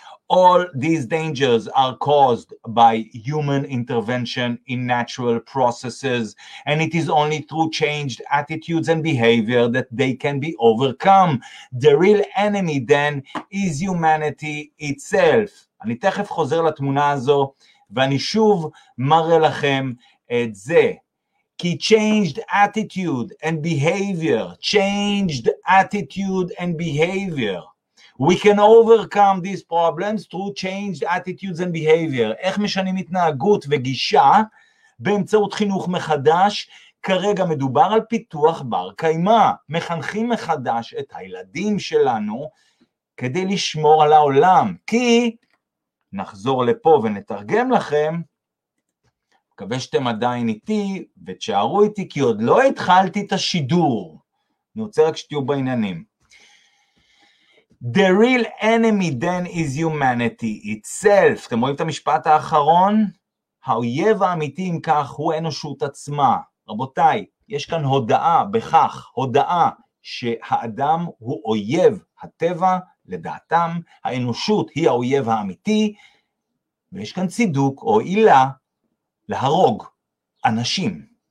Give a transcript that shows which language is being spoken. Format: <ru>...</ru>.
<en>All these dangers are caused by human intervention in natural processes, and it is only through changed attitudes and behavior that they can be overcome. The real enemy then is humanity itself.</en> <he>אני תכף חוזר לתמונה הזו, ואני שוב מראה לכם את זה.</he> <en>כי changed attitude and behavior, changed attitude and behavior, We can overcome these problems through changed attitudes and behavior.</en> <he>איך משנים התנהגות וגישה באמצעות חינוך מחדש? כרגע מדובר על פיתוח בר קיימה. מחנכים מחדש את הילדים שלנו כדי לשמור על העולם. כי נחזור לפה ונתרגם לכם. מקווה שאתם עדיין איתי ותשארו איתי כי עוד לא התחלתי את השידור. אני רוצה רק שתהיו בעניינים.</he> <en>The real enemy then is humanity itself.</en> <he>אתם רואים את המשפט האחרון? האויב האמיתי אם כך הוא אנושות עצמה. רבותיי, יש כאן הודעה בכך, הודעה שהאדם הוא אויב הטבע לדעתם, האנושות היא האויב האמיתי, ויש כאן צידוק או עילה להרוג אנשים.</he>